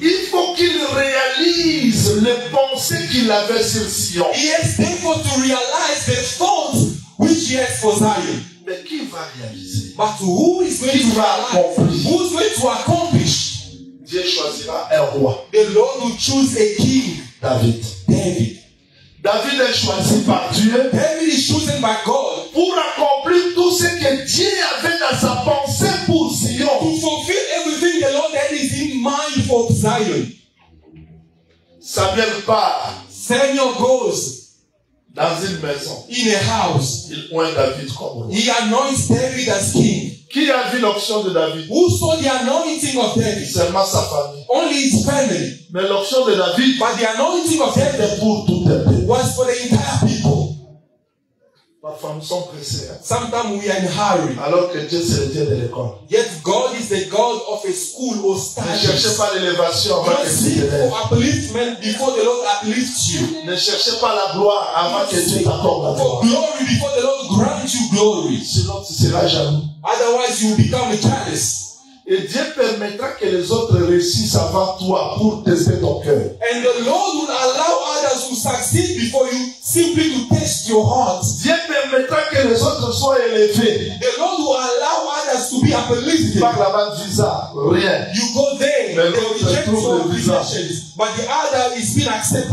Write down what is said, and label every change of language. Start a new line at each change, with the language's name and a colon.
French: il faut qu'il réalise les pensées qu'il avait sur Sion.
English: He has therefore to realize the thoughts which he has for Zion.
French: Mais qui va réaliser?
English: But who is going
French: qui
English: to va realize? Accomplish? Who's going to accomplish?
French: Dieu choisira un roi.
English: The Lord will choose a king.
French: David.
English: David.
French: David est choisi par Dieu.
English: David is chosen by God.
French: Pour accomplir tout ce que Dieu avait dans sa pensée pour Sion.
English: To fulfill everything the Lord had is in mind for Zion.
French: Samuel part.
English: Samuel goes.
French: Dans une maison.
English: In a house.
French: Il oint David comme roi.
English: He anoints David as king.
French: Qui a vu l'onction de David?
English: Who saw the anointing of David?
French: Seulement sa famille.
English: Only his family.
French: Mais l'onction de David.
English: But the anointing of David
French: pour tout le peuple.
English: Was for the entire people.
French: Parfois nous sommes pressés.
English: Sometimes we are in a hurry.
French: Alors que Dieu c'est le Dieu de l'école.
English: Yet God is the God of a school or stage.
French: Ne cherchez pas l'élévation avant que Dieu te lève.
English: Upliftment before the Lord uplifts you.
French: Ne cherchez pas la gloire avant que Dieu t'accorde la gloire.
English: For glory before the Lord grants you glory.
French: Sinon tu seras jaloux.
English: Otherwise you will become a jealous.
French: Et Dieu permettra que les autres réussissent avant toi pour tester ton cœur.
English: And the Lord will allow others to succeed before you, simply to test your heart.
French: Dieu permettra que les autres soient élevés.
English: The Lord will allow others to be uplifted.
French: Par la bas de visa, rien.
English: You go there, they reject your applications, but the other is being accepted.